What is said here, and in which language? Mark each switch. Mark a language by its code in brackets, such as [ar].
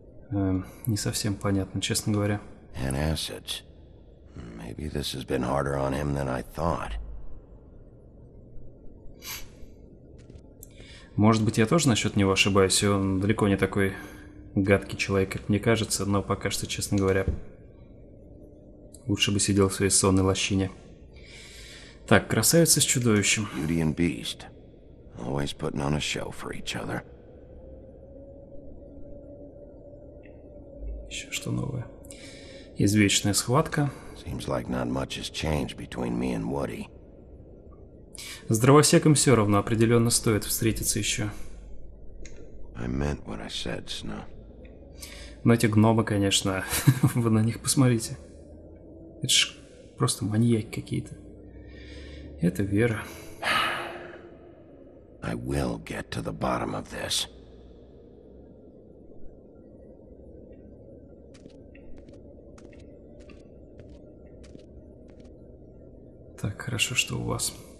[ru] Не совсем понятно, честно говоря. [en] And assets. Maybe this has been harder on him than I thought. [ru] Может быть, я тоже насчет него ошибаюсь, и он далеко не такой гадкий человек, как мне кажется, но пока что, честно говоря, лучше бы сидел в своей сонной лощине. Так, красавица с чудовищем. [en] Beauty and Beast. Always putting on a show for each other. [ru] Еще что новое. Извечная схватка. [en] Seems like not much has changed between me and Woody. [ru] С дровосеком все равно, определенно стоит встретиться еще. [en] I meant what I said, Snow. [ru] Но эти гномы, конечно, вы на них посмотрите. Это ж просто маньяки какие-то. Это Вера. [en] I will get to the bottom of this. [ru] Так, хорошо, что у вас.